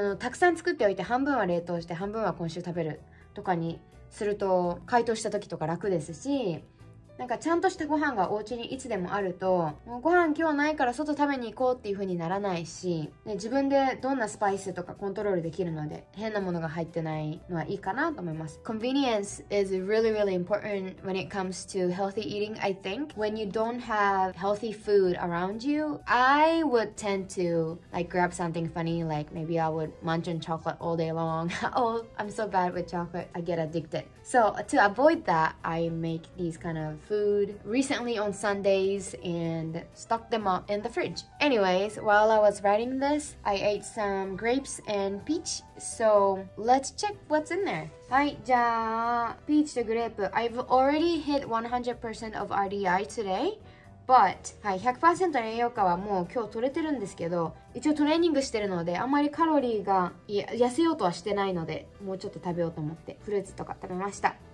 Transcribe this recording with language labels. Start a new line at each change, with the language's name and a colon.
Japanese: たくさん作っておいて半分は冷凍して半分は今週食べるとかにすると、解凍した時とか楽ですし、なんかちゃんとしたご飯がお家にいつでもあると、もうご飯今日ないから外食べに行こうっていう風にならないし、で自分でどんなスパイスとかコントロールできるので、変なものが入ってないのはいいかなと思います。
English: Convenience is really really important when it comes to healthy eating. I think when you don't have healthy food around you, I would tend to like grab something funny, like maybe I would munch on chocolate all day long. Oh, I'm so bad with chocolate. I get addicted. So to avoid that, I make these kind of food recently on Sundays and stock them up in the fridge. Anyways, while I was writing this, I ate some grapes and peach. So let's check what's in there.
Japanese: はい、じゃあピーチとグレープ。
English: I've already hit 100% of RDI today, but
Japanese: はい、 100% の栄養価はもう今日取れてるんですけど、一応トレーニングしてるので、あんまりカロリーが痩せようとはしてないので、もうちょっと食べようと思ってフルーツとか食べました。